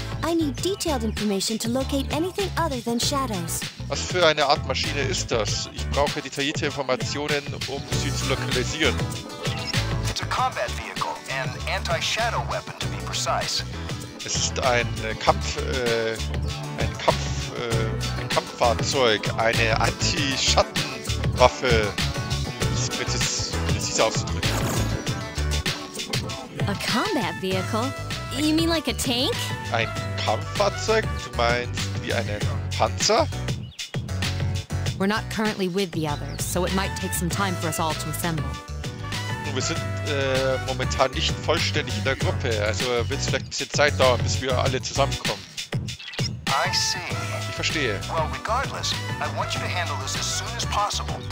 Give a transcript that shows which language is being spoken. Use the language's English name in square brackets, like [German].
[English] I need detailed information to locate anything other than shadows. [German] Was für eine Art Maschine ist das? Ich brauche detaillierte Informationen, um sie zu lokalisieren. [English] It's a combat vehicle, an anti-shadow weapon to be precise. [German] Es ist ein Kampffahrzeug, eine Anti-Schattenwaffe, um es präzise auszudrücken. [English] A combat vehicle? You mean like a tank? [German] Ein Kampffahrzeug? Du meinst wie einen Panzer? [English] We're not currently with the others, so it might take some time for us all to assemble. [German] Nun, wir sind momentan nicht vollständig in der Gruppe, also wird es vielleicht ein bisschen Zeit dauern, bis wir alle zusammenkommen. [English] I see. [German] Ich verstehe. [English] Well, regardless, I want you to handle this as soon as possible.